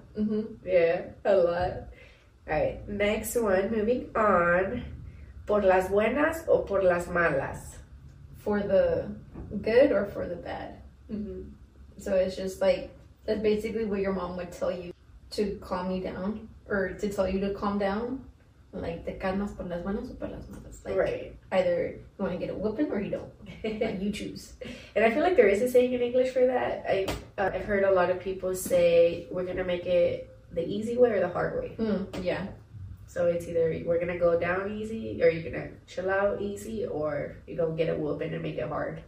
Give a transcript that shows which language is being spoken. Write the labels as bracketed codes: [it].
[en] Mm-hmm. Yeah, a lot. All right, next one, moving on. [es] ¿Por las buenas o por las malas? [en] For the good or for the bad. Mm-hmm. So it's just like, that's basically what your mom would tell you to calm you down or to tell you to calm down. Like, [es] te calmas por las buenas o por las malas. [en] Like, right. Either you want to get a whooping or you don't. Like, you choose. And I feel like there is a saying in English for that. I've heard a lot of people say, we're going to make it the easy way or the hard way. Mm, yeah. So it's either we're going to go down easy or you're going to chill out easy or you're going to get a whooping and make it hard.